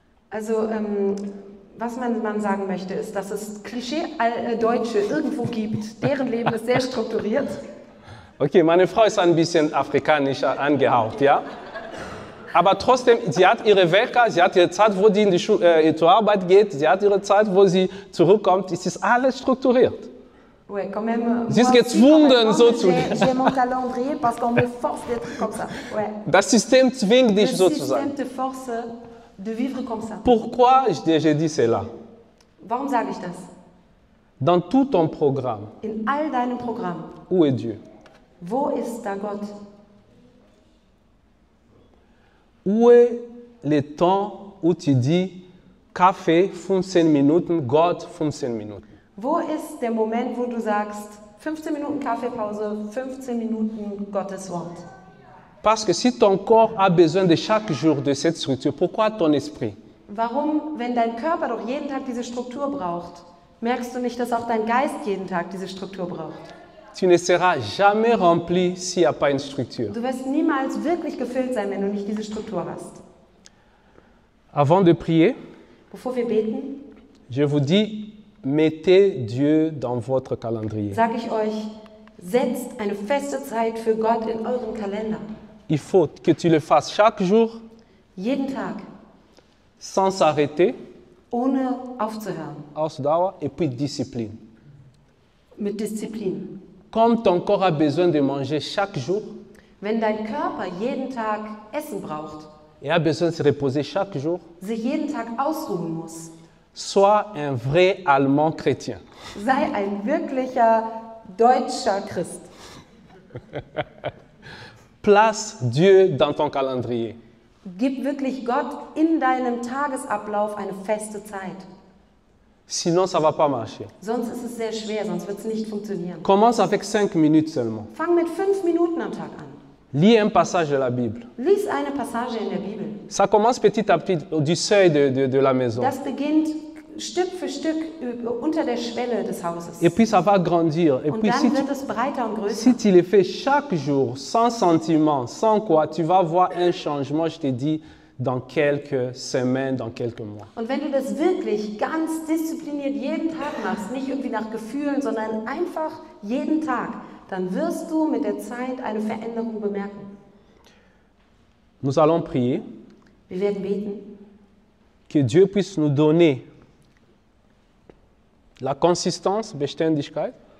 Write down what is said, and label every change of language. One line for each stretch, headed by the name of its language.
German: Also, was man sagen möchte, ist, dass es Klischee-Deutsche irgendwo gibt, deren Leben ist sehr strukturiert. Okay, meine Frau ist ein bisschen afrikanisch angehaucht, ja? Aber trotzdem, sie hat ihre Wecker, sie hat ihre Zeit, wo sie in die zur Arbeit geht, sie hat ihre Zeit, wo sie zurückkommt, es ist alles strukturiert.
French: Oui, quand même,
German: sie ist gezwungen, so zu leben.
French: J'ai mon calendrier, parce qu'on me force d'être comme ça. Ouais.
German: Das System zwingt dich, sozusagen.
French: Le système te force de vivre comme ça. Pourquoi j'ai dit cela?
German: Warum sage ich das?
French: Dans tout ton programme.
German: In all deinem Programm.
French: Où est Dieu?
German: Wo ist da Gott?
French: Où est le temps où tu dis café 15 Minuten,
German: Gott 15 Minuten? Wo ist der Moment, wo du sagst 15 Minuten Kaffeepause, 15 Minuten Gottes Wort?
French: Parce que si ton corps a besoin de chaque jour de cette structure, pourquoi ton esprit?
German: Warum, wenn dein Körper doch jeden Tag diese Struktur braucht, merkst du nicht, dass auch dein Geist jeden Tag diese Struktur braucht?
French: Tu ne seras jamais rempli s'il n'y a pas une structure.
German: Du wirst niemals wirklich gefüllt sein, wenn du nicht diese Struktur hast.
French: Avant de prier,
German: bevor wir beten,
French: je vous dis, mettez Dieu dans votre calendrier.
German: Sag ich euch, setzt eine feste Zeit für Gott in euren Kalender.
French: Il faut que tu le fasses chaque jour.
German: Jeden Tag.
French: Sans s'arrêter.
German: Ohne aufzuhören.
French: Ausdauer et puis Discipline.
German: Mit Disziplin.
French: Comme ton corps a besoin de manger chaque jour.
German: Wenn dein Körper jeden Tag Essen braucht.
French: Et a besoin de se reposer chaque jour.
German: Sich jeden Tag ausruhen muss.
French: Sois un vrai Allemand chrétien.
German: Sei ein wirklicher deutscher Christ.
French: Place Dieu dans ton calendrier.
German: Gib wirklich Gott in deinem Tagesablauf eine feste Zeit.
French: Sinon, ça va pas marcher.
German: Sonst ist es sehr schwer, sonst wird es nicht funktionieren.
French: Commence avec 5 minutes seulement.
German: Fang mit 5 Minuten am Tag an.
French: Lis un passage de la Bible.
German: Lies eine Passage in der Bibel.
French: Ça commence petit à petit du seuil de la maison.
German: Das beginnt Stück für Stück unter der Schwelle des Hauses.
French: Et puis ça va grandir. Et
German: und
French: puis
German: dann si wird es breiter und größer.
French: Si tu le fais chaque jour, sans sentiment, sans quoi, tu vas voir un changement, je te dis, dans quelques semaines, dans quelques mois.
German: Und wenn du das wirklich ganz diszipliniert jeden Tag machst, nicht irgendwie nach Gefühlen, sondern einfach jeden Tag, dann wirst du mit der Zeit eine Veränderung bemerken.
French: Nous allons prier.
German: Wir werden beten.
French: Que Dieu puisse nous donner la consistance, Beständigkeit.